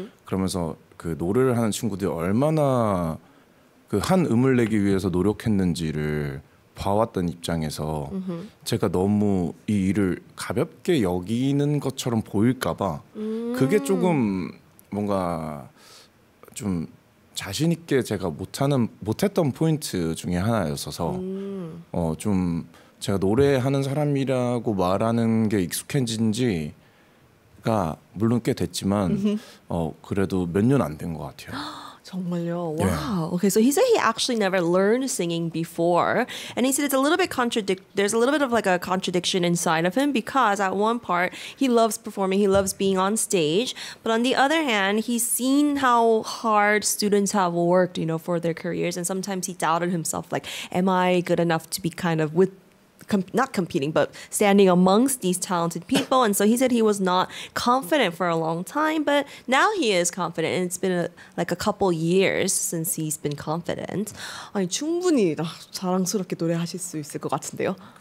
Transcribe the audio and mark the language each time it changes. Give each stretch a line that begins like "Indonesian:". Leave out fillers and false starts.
Korean: 그러면서 그 노래를 하는 친구들이 얼마나 그 한 음을 내기 위해서 노력했는지를 봐왔던 입장에서 제가 너무 이 일을 가볍게 여기는 것처럼 보일까봐 그게 조금 뭔가 좀 자신 있게 제가 못했던 포인트 중에 하나였어서 좀 제가 노래하는 사람이라고 말하는 게 익숙해진지 물론 꽤 됐지만 그래도 몇 년 안 된 것 같아요. 정말요? Wow.
English: Okay, so he said he actually never learned singing before, and he said it's a little bit contradict. There's a little bit of like a contradiction inside of him because at one part he loves performing, he loves being on stage, but on the other hand, he's seen how hard students have worked, you know, for their careers, and sometimes he doubted himself. Like, am I good enough to be kind of with? Not competing, but standing amongst these talented people. And so he said he was not confident for a long time, but now he is confident. And it's been like a couple years since he's been confident.
Korean: 아니, 충분히 자랑스럽게 노래하실 수 있을 것 같은데요.